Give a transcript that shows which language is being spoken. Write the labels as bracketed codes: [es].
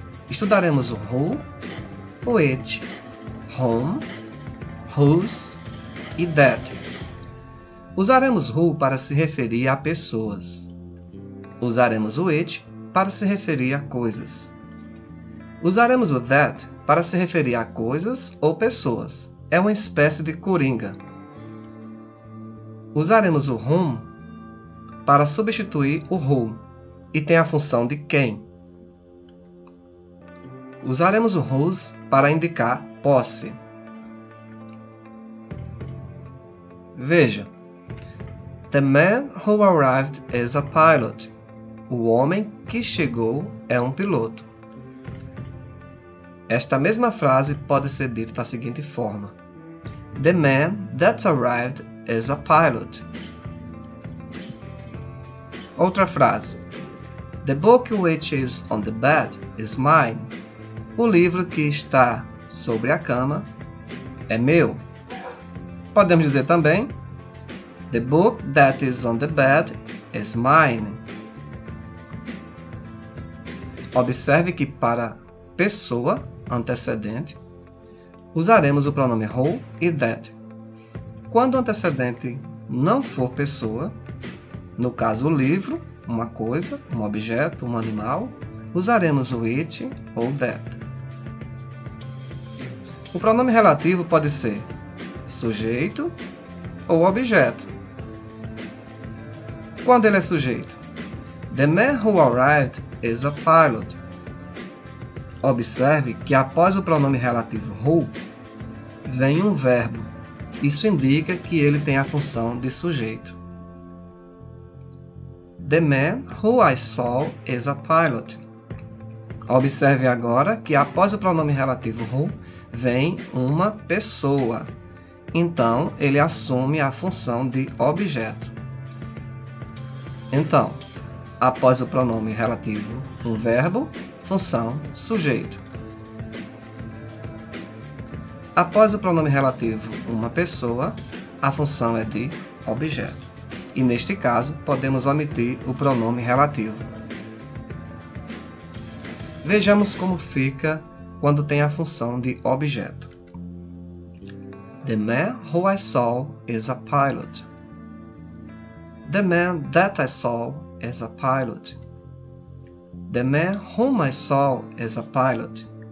[pt] Estudaremos o who, o it, whom, whose e that. Usaremos who para se referir a pessoas. Usaremos o it para se referir a coisas. Usaremos o that para se referir a coisas ou pessoas. É uma espécie de coringa. Usaremos o whom para substituir o who e tem a função de quem. Usaremos o whose para indicar posse. Veja. [en] The man who arrived is a pilot. [pt] O homem que chegou é um piloto. Esta mesma frase pode ser dita da seguinte forma. [en] The man that arrived is a pilot. [pt] Outra frase. [en] The book which is on the bed is mine. [pt] O livro que está sobre a cama é meu. Podemos dizer também, [en] The book that is on the bed is mine. [pt] Observe que para pessoa antecedente, usaremos o pronome who e that. Quando o antecedente não for pessoa, no caso o livro, uma coisa, um objeto, um animal, usaremos o it ou that. O pronome relativo pode ser sujeito ou objeto. Quando ele é sujeito? [en] The man who arrived is a pilot. [pt] Observe que após o pronome relativo who, vem um verbo. Isso indica que ele tem a função de sujeito. [en] The man who I saw is a pilot. [pt] Observe agora que após o pronome relativo who, vem uma pessoa. Então, ele assume a função de objeto. Então, após o pronome relativo, um verbo, função, sujeito. Após o pronome relativo, uma pessoa, a função é de objeto. E neste caso, podemos omitir o pronome relativo. Vejamos como fica quando tem a função de objeto. [en] The man who I saw is a pilot. The man that I saw is a pilot. The man whom I saw is a pilot.